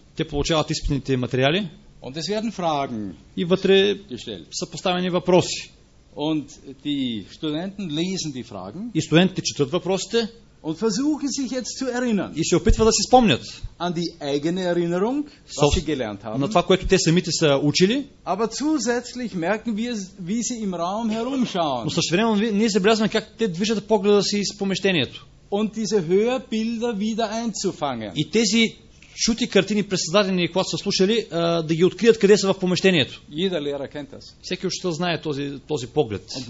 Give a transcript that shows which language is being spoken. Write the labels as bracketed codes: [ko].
[bg] Те получават изпитните материали. [de] Und es werden Fragen. [bg] И вътре са поставени въпроси. [de] Und die Studenten lesen die Fragen. [bg] И студентите четат въпросите. [de] Und versuchen sich jetzt zu erinnern. [bg] И се опитват да си спомнят. [de] An die eigene Erinnerung, was sie gelernt haben. [bg] На това, което те самите са учили. [de] Aber zusätzlich merken wir, wie sie im Raum herumschauen. [bg] Но същевременно ние забелязваме как те движат погледа си из помещението. [de] Und diese Hörbilder wieder einzufangen. [bg] И тези чути картини, пресъздадени, когато са слушали, да ги открият къде са в помещението. Всеки учител знае този поглед.